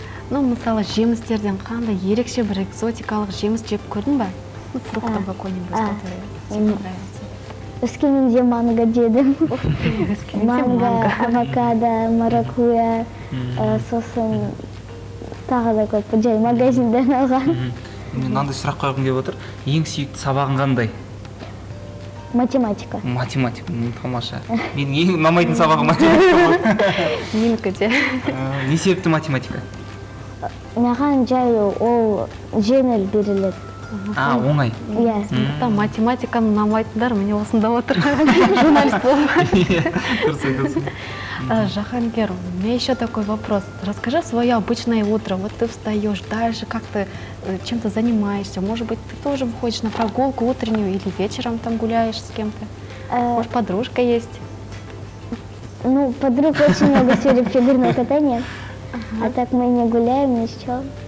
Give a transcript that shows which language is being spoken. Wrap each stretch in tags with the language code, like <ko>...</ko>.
<kk>Ну, мысалы, жемістерден қандай ерекше бір экзотикалық жеміс жеп көрдің ба?</kk> <ru>Ну, фруктом какой-нибудь, который тебе нравится.</ru> <kk>Өскеменде манго жедім. Манго, авокадо, маракуя, сосын тағы да көп жай магазинден алған. Мынандай сұрақ қойғым келіп отыр. Ең сүйікті сабағың қандай? Математика. Математика, тамаша. Мен ең ұнамайтын сабағым математика. Менікі де. Не себепті математика? Маған жай ол жеңіл беріледі. А, оңай. Иә. Математиканы ұнамайтындар міне осында отыр. Журналист болып. Дұрыс айтасың.</kk> <ru>Жахангер, у меня еще такой вопрос. Расскажи свое обычное утро. Вот ты встаешь, дальше как ты чем-то занимаешься. Может быть, ты тоже выходишь на прогулку утреннюю или вечером там гуляешь с кем-то? Может, подружка есть? Ну, подруг очень много сегодня, фигурное катание. А так мы не гуляем, ничего.</ru>